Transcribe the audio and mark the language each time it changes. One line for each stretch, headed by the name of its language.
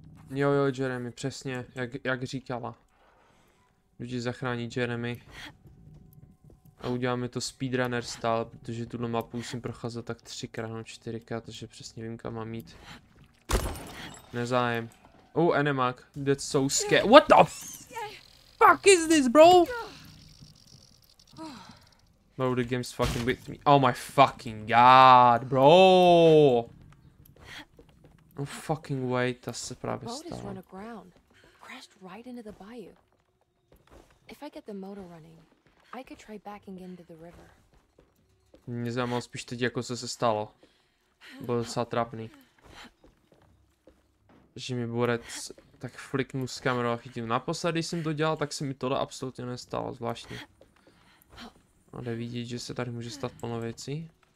Czech: Jo, jo, Jeremy, přesně, jak říkala. Lidi zachrání Jeremy. A uděláme to speedrunner style, protože tuhle mapu musím procházet tak 3x, 4x, takže přesně vím, kam mám jít. Nezájem.
English: Oh, Enemak. That's so scary. What the fuck is this, bro? Bro, the game's fucking with me. Oh my fucking god, bro. No fucking way,
Czech: to se právě stalo.
English: Crashed right into the bayou. If I get the motor running, I could try backing into the river.
Czech: Mě zajímalo spíš teď, jako co se stalo. Byl docela trapný. Že mi borec tak fliknu s kamerou a chytím. Naposled, když jsem to dělal, tak se mi tohle absolutně nestalo, zvláštně. A jde vidět, že se tady může stát plno věcí.